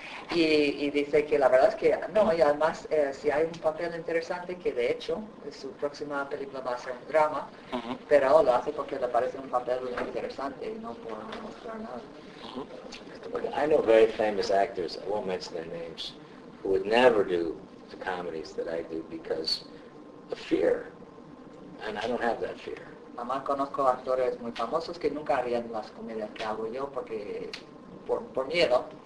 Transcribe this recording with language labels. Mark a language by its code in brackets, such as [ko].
[es] Y dice que la verdad es que no, y además si hay un papel interesante, que de hecho su próxima película va a ser un drama, uh-huh, pero lo hace porque le parece un papel interesante y no por mostrar nada. Uh-huh. [en] I know very famous actors, I won't mention their names, who would never do the comedies that I do because of fear, and I don't have that fear. [es] Además conozco actores muy famosos que nunca harían las comedias que hago yo porque por miedo.